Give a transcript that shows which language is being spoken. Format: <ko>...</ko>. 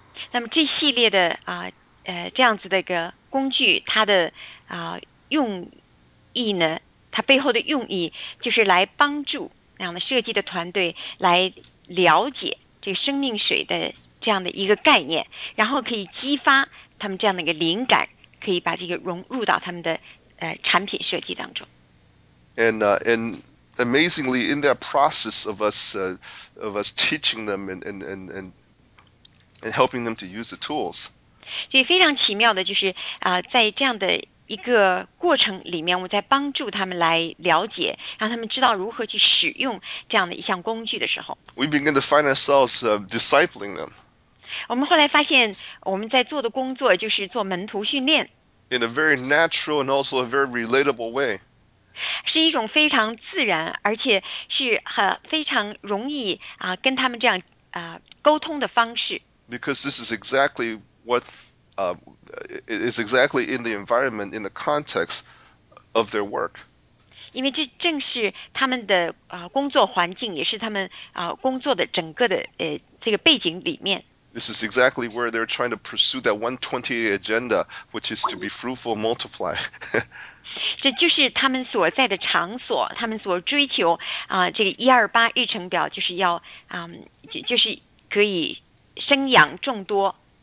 <zh>那么这系列的这样子的一个工具，它的用意呢，它背后的用意就是来帮助那样的设计的团队来了解这个生命水的。这样的一个概念，然后可以激发他们这样的一个灵感，可以把这个融入到他们的产品设计当中。</zh> <en>And amazingly, in that process of us teaching them and helping them to use the tools.</en> <zh>所以非常奇妙的就是、在这样的一个过程里面，我在帮助他们来了解，让他们知道如何去使用这样的一项工具的时候。</zh> <en>We begin to find ourselves discipling them.</en> <zh>我们后来发现，我们在做的工作就是做门徒训练。</zh> <en>In a very natural and also a very relatable way.</en> <zh>是一种非常自然，而且是很非常容易、跟他们这样、沟通的方式。</zh> <en>Because this is exactly what is exactly in the environment, in the context of their work.</en> <zh>因为这正是他们的、工作环境，也是他们、工作的整个的、这个背景里面。</zh> <en>This is exactly where they're trying to pursue that 128 agenda, which is to be fruitful, multiply.</en> <zh>这就是他们所在的场所，他们所追求、这个128日程表就是要、就是可以生养众多。</zh>